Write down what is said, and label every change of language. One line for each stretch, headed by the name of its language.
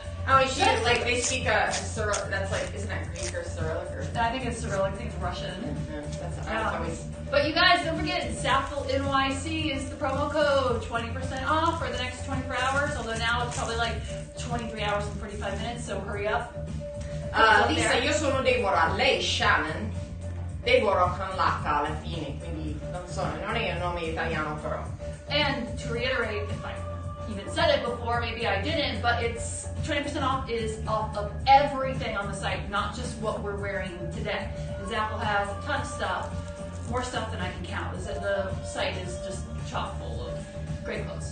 English: Oh, she did. Like, they speak a Cyrillic. That's like, isn't that Greek or Cyrillic? I think it's Cyrillic. I think it's Russian. That's always... But you guys, don't forget, ZAFULNYC is the promo code. 20% off for the next 24 hours. Although now it's probably like 23 hours and 45 minutes, so hurry up.
Italian: Lisa, there. Io sono Deborah, lei Shannon. Deborah con l'acca alla fine, quindi non so, non è un nome italiano però.
English: And to reiterate, if I even said it before, maybe I didn't, but it's 20% off is off of everything on the site, not just what we're wearing today. ZAFUL has a ton of stuff. More stuff than I can count. Is that the site is just chock full of great clothes.